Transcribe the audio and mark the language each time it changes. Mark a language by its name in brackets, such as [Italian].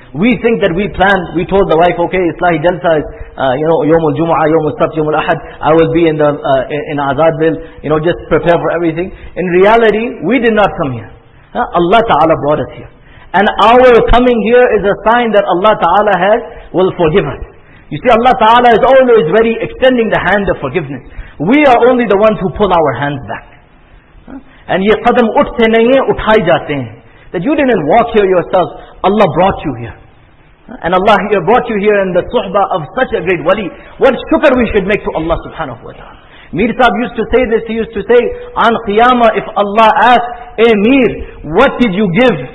[English] We think that we planned, we told the wife, okay, Islahi Jalsa is, you know, Yomul Jumu'ah, Yomul Sabt, Yomul Ahad, I will be in the in Azadville, you know, just prepare for everything. In reality, we did not come here. Allah Ta'ala brought us here. And our coming here is a sign that Allah Ta'ala has, will forgive us. You see, Allah Ta'ala is always ready, extending the hand of forgiveness. We are only the ones who pull our hands back. [Urdu] And یہ قدم اٹھتے نہیں ہیں، اٹھائے جاتے ہیں. [English] That you didn't walk here yourself, Allah brought you here. And Allah brought you here in the suhbah of such a great wali. What shukr we should make to Allah subhanahu wa ta'ala. Mir sahab used to say this, he used to say, on qiyamah, if Allah asked, Ey Mir, what did you give?